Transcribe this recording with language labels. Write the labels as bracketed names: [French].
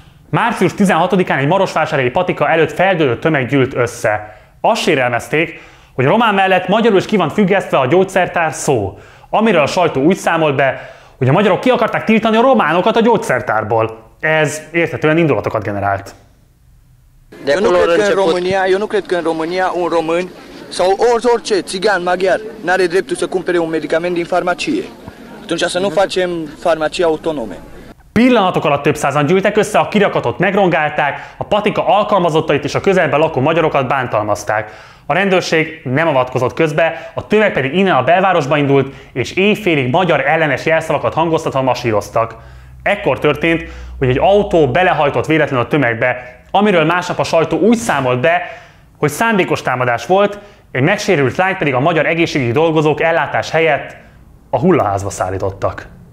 [Hungarian] Március 16-án egy marosvásárhelyi patika előtt feldődött tömeg gyűlt össze. Azt sérelmezték, hogy román mellett magyarul is ki van függesztve a gyógyszertár szó, amiről a sajtó úgy számolt be, hogy a magyarok ki akarták tiltani a románokat a gyógyszertárból. Ez érthetően indulatokat generált. [Romanian] De Eu nu cred că în România un român sau orice țigan maghiar n-are dreptul să cumpere un medicament din farmacie. Atunci să nu facem farmacii autonome. [Hungarian] Pillanatok alatt több százan gyűltek össze, a kirakatot megrongálták, a patika alkalmazottait és a közelben lakó magyarokat bántalmazták. A rendőrség nem avatkozott közbe, a tömeg pedig innen a belvárosba indult, és éjfélig magyar ellenes jelszavakat hangoztatva masíroztak. Ekkor történt, hogy egy autó belehajtott véletlenül a tömegbe, amiről másnap a sajtó úgy számolt be, hogy szándékos támadás volt, egy megsérült lány pedig a magyar egészségügyi dolgozók ellátás helyett a hullaházba szállítottak.